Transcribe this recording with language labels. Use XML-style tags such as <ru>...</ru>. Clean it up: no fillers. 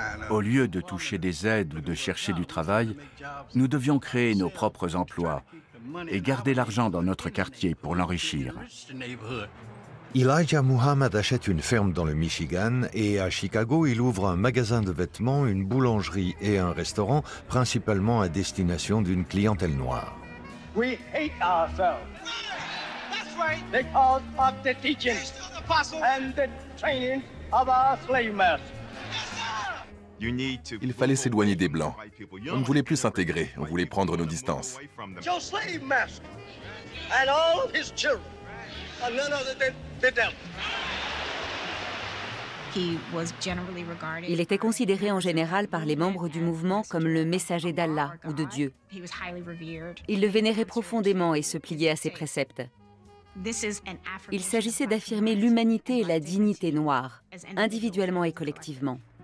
<fr>Au lieu de toucher des aides ou de chercher du travail, nous devions créer nos propres emplois et garder l'argent dans notre quartier pour l'enrichir. Elijah Muhammad achète une ferme dans le Michigan et à Chicago, il ouvre un magasin de vêtements, une boulangerie et un restaurant, principalement à destination d'une clientèle noire.</fr> <en>We hate ourselves. That's right. Because of the teaching and the training of our slave masters.</en> <fr>Il fallait s'éloigner des Blancs. On ne voulait plus s'intégrer, on voulait prendre nos distances.</fr> <en>Your slave master and all of his children are none other than the devil.</en> <fr>Il était considéré en général par les membres du mouvement comme le messager d'Allah ou de Dieu. Il le vénérait profondément et se pliait à ses préceptes. Il s'agissait d'affirmer l'humanité et la dignité noire, individuellement et collectivement.</fr>